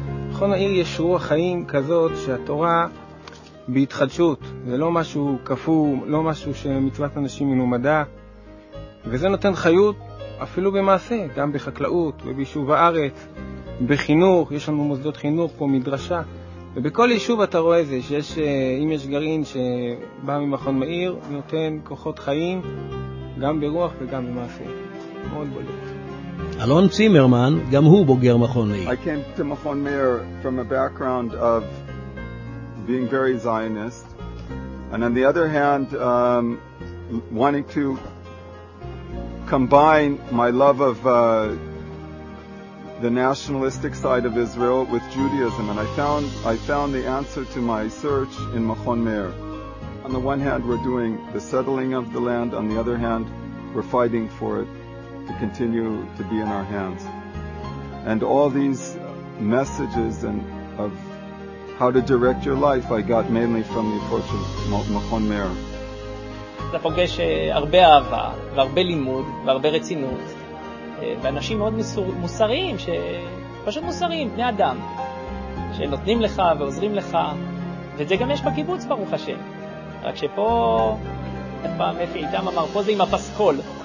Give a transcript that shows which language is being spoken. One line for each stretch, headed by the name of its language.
Hebrew: מכון מאיר יש רוח חיים כזאת שהתורה בהתחדשות, זה לא משהו כפוא, לא משהו שמצוות אנשים מלומדה, וזה נותן חיות אפילו במעשה, גם בחקלאות וביישוב הארץ, בחינוך, יש לנו מוסדות חינוך פה, מדרשה, ובכל יישוב אתה רואה זה, שיש, אם יש גרעין שבא ממכון מאיר, נותן כוחות חיים גם ברוח וגם במעשה, מאוד בולט. אלון צימרמן, גם הוא בוגר מכון מאיר.
English: I came to מכון מאיר from a background of being very Zionist, and on the other hand, wanting to combine my love of the nationalistic side of Israel with Judaism, and I found the answer to my search in Machon Meir. On the one hand, we're doing the settling of the land, on the other hand, we're fighting for it to continue to be in our hands. And all these messages and of how to direct your life I got mainly from the approach of Machon Meir.
Hebrew: אתה פוגש הרבה אהבה והרבה לימוד והרבה רצינות ואנשים מאוד מוסריים, פשוט מוסריים, בני אדם שנותנים לך ועוזרים לך, וזה גם יש בקיבוץ ברוך השם. רק שפה, איך פעם איפה איתם אמר, פה זה עם הפסקול.